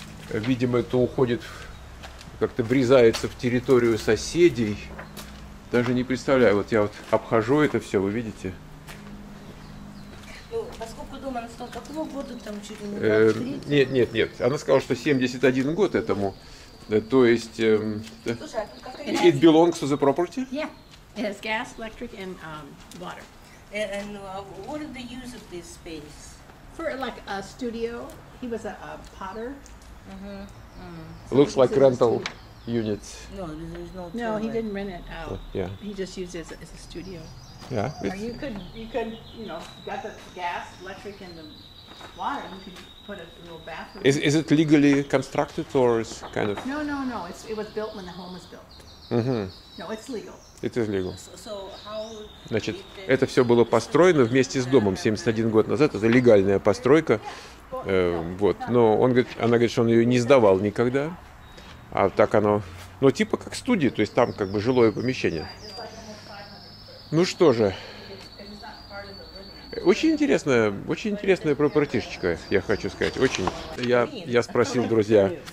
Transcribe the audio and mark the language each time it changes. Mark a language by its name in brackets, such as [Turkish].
[Russian] Видимо, это уходит, как-то врезается в территорию соседей. Даже не представляю, вот я вот обхожу это все, вы видите. Какого года там чуть ли не 23? Нет. Она сказала, что 71 год этому. То есть... Слушай, [English] It belongs to the property? Yeah. It has gas, electric and water. And what are the use of this space? For like a studio. He was a potter. Mm-hmm. Looks like rental units. No, he didn't rent it out. He just used it as a studio. Yeah, you could got the gas, electric, and the water. You could put a little bathroom. Is it legally constructed or is kind of? No. It was built when the home was built. Mm-hmm. No, it's legal. It is legal. So how? [Russian] Значит, это все было построено вместе с домом 71 год назад. Это легальная постройка. Вот. Но он говорит, она говорит, что он ее не сдавал никогда. А так оно. Но типа как студия, то есть там как бы жилое помещение. Ну что же, очень интересная пропартишечка, я хочу сказать, очень. Я спросил, друзья,